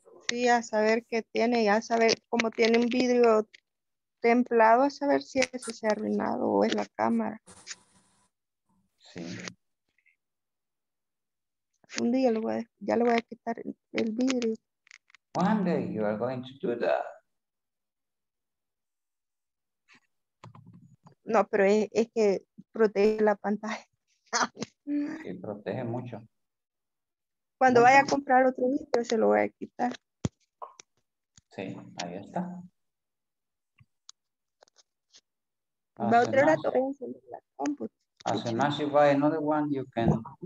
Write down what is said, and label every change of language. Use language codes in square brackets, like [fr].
[es] Sí, a saber qué tiene, ya saber cómo tiene un vidrio templado, a saber si ese se ha arruinado o es la cámara. Sí. Un día ya le voy a quitar el vidrio. [en] One day you are going to do that. [es] No, pero es que protege la pantalla. Sí, protege mucho. Cuando vaya a comprar otro vidrio, se lo voy a quitar. Sí, ahí está. Va otro rato, voy a encender la computadora. [en] As soon as you buy another one, you can...